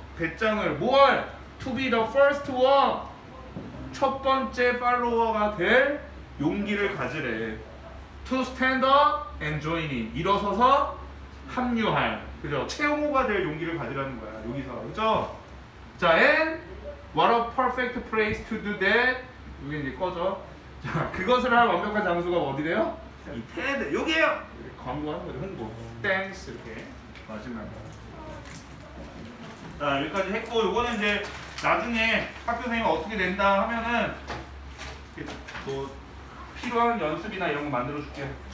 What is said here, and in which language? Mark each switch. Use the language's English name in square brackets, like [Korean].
[Korean] 배짱을 뭘? [English] to be the first one, [Korean] 첫 번째 팔로워가 될 용기를 가지래. [English] To stand up and join in. [Korean] 일어서서 합류할. 그죠? 최용호가 될 용기를 가지라는 거야. 여기서. 그죠? [English] 자, and what a perfect place to do that. [Korean] 이게 이제 꺼져. 자, 그것을 할 완벽한 장소가 어디래요? 이 테드, 여기에요! 광고하는 거죠, 홍보. 땡스, 이렇게. 마지막으로. 자, 여기까지 했고, 요거는 이제 나중에 학교 선생님이 어떻게 된다 하면은 뭐 필요한 연습이나 이런 거 만들어줄게요.